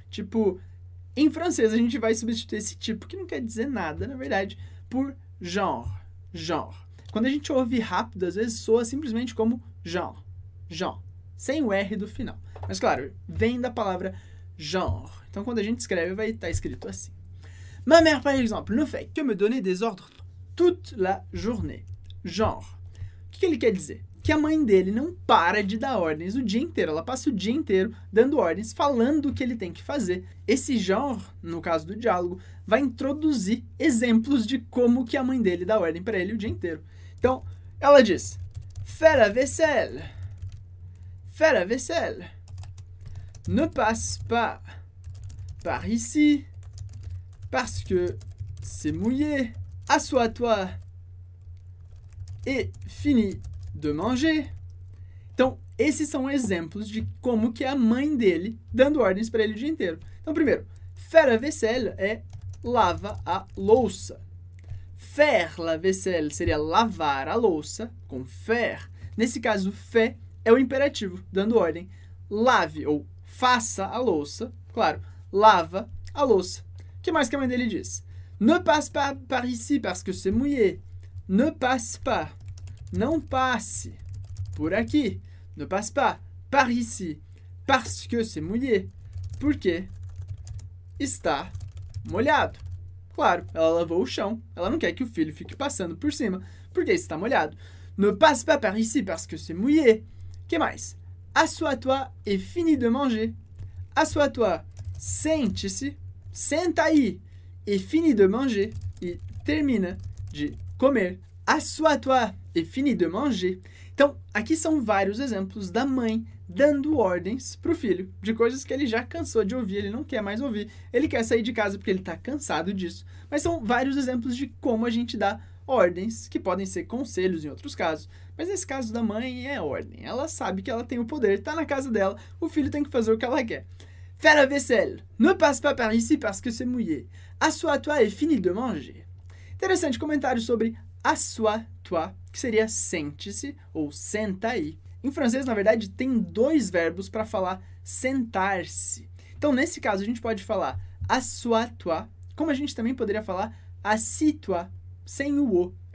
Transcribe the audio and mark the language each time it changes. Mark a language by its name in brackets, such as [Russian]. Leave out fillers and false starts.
[Portuguese] Tipo, em francês a gente vai substituir esse tipo, que não quer dizer nada, na verdade, por genre. Genre. Quando a gente ouve rápido, às vezes soa simplesmente como genre. Genre, sem o R do final. Mas claro, vem da palavra genre. Então quando a gente escreve, vai estar escrito assim. [French] Ma mère, par exemple, ne fait que me donner des ordres toute la journée. [Portuguese] Genre. O que, que ele quer dizer? Que a mãe dele não para de dar ordens o dia inteiro. Ela passa o dia inteiro dando ordens, falando o que ele tem que fazer. Esse genre, no caso do diálogo, vai introduzir exemplos de como que a mãe dele dá ordem para ele o dia inteiro. Então, ela diz, [French] faire la vaisselle. Faire la vaisselle. Ne passe pas par ici parce que c'est mouillé. Assois-toi et finis de manger. [Portuguese] Então, esses são exemplos de como que é a mãe dele dando ordens para ele o dia inteiro. Então, primeiro, [French] faire la vaisselle [Portuguese] é lava a louça. [French] Faire la vaisselle [Portuguese] seria lavar a louça com faire. Nesse caso, faire é o imperativo, dando ordem, lave ou faça a louça, claro, lava a louça. O que mais que a mãe dele diz? [French] Ne passe pas par ici parce que c'est mouillé. Ne passe pas, [Portuguese] não passe por aqui. [French] Ne passe pas par ici parce que c'est mouillé. [Portuguese] Porque está molhado. Claro, ela lavou o chão, ela não quer que o filho fique passando por cima, porque está molhado. [French] Ne passe pas par ici parce que c'est mouillé. [Portuguese] Que mais? [French] Assois-toi et finis de manger. Assois-toi, [Portuguese] sente-se, senta aí [French] et finis de manger. [Portuguese] E termina de comer. [French] Assois-toi et finis de manger. [Portuguese] Então, aqui são vários exemplos da mãe dando ordens para o filho de coisas que ele já cansou de ouvir, ele não quer mais ouvir. Ele quer sair de casa porque ele está cansado disso. Mas são vários exemplos de como a gente dá ordens, que podem ser conselhos em outros casos. Mas nesse caso da mãe, é ordem. Ela sabe que ela tem o poder, tá na casa dela, o filho tem que fazer o que ela quer. [French] Faire la vaisselle. Ne passe pas par ici parce que c'est mouillé. Assois-toi et finis de manger. [Portuguese] Interessante comentário sobre assois-toi, que seria sente-se ou senta-i. Em francês, na verdade, tem dois verbos para falar sentar-se. Então, nesse caso, a gente pode falar assois-toi, como a gente também poderia falar assis-toi, sem o.